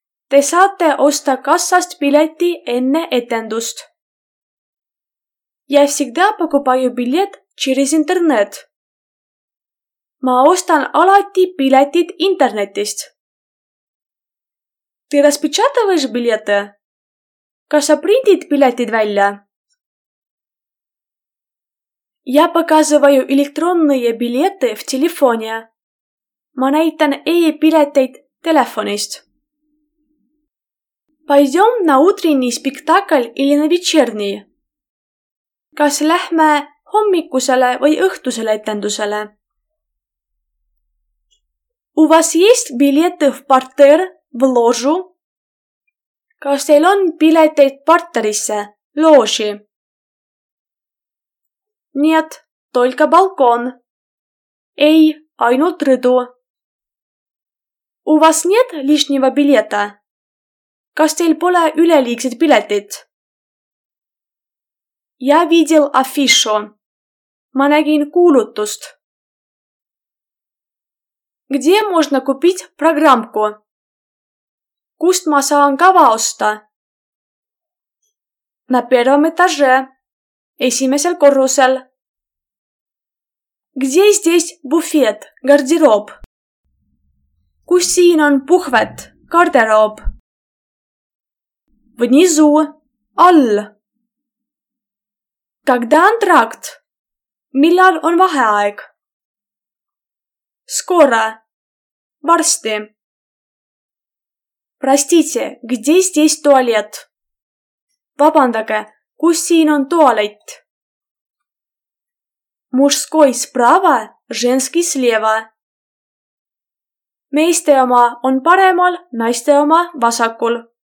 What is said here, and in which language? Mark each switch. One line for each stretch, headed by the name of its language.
Estonian: Te saate osta kassast bileti enne etendust.
Russian: Я всегда покупаю билет через интернет.
Estonian: Ma ostan alati biletit internetist.
Russian: Ты распечатываешь билеты?
Estonian: Kas sa printid biletid välja?
Russian: Я показываю электронные билеты в телефоне.
Estonian: Ma näitan e-bileteid telefonist.
Russian: Пойдем на утренний спектакль или на вечерний?
Estonian: Kas lähme hommikusele või õhtusele etendusele?
Russian: У вас есть билеты в партер, в ложу?
Estonian: Kas teil on bileteid parterisse, looži?
Russian: Нет, только балкон.
Estonian: Ei, ainult rõdu.
Russian: У вас нет лишнего билета?
Estonian: Kas teil pole üleliigset biletit?
Russian: Я видел афишу.
Estonian: Ma nägin kuulutust.
Russian: Где можно купить программку?
Estonian: Kust ma saan kava osta?
Russian: На первом этаже.
Estonian: Esimesel korrusel.
Russian: Где здесь буфет, гардероб?
Estonian: Kus siin on puhvet, garderoob?
Russian: Внизу. All. Когда антракт?
Estonian: Millal on vaheaeg? Скоро. Varsti.
Russian: Простите, где здесь туалет?
Estonian: Vabandage, kus siin on tualett?
Russian: Мужской справа, женский слева.
Estonian: Meeste oma on paremal, naiste oma vasakul.